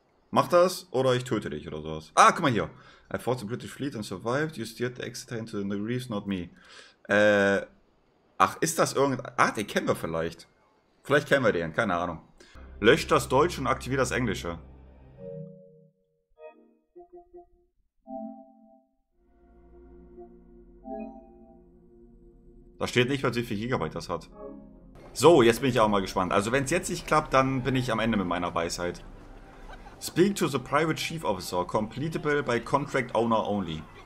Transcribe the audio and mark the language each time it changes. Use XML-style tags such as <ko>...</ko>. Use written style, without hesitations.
<de>Mach das oder ich töte dich oder sowas. Ah, guck mal hier.</de> <en>I fought the British fleet and survived. You steered the Exeter into the reefs, not me.</en> <de>Ach, ist das irgendein. Ah, den kennen wir vielleicht. Vielleicht kennen wir den, keine Ahnung. Lösch das Deutsche und aktiviere das Englische. Da steht nicht, was wie viel Gigabyte das hat. So, jetzt bin ich auch mal gespannt. Also wenn es jetzt nicht klappt, dann bin ich am Ende mit meiner Weisheit.</de> <en>Speak to the private chief officer. Completable by contract owner only.</en>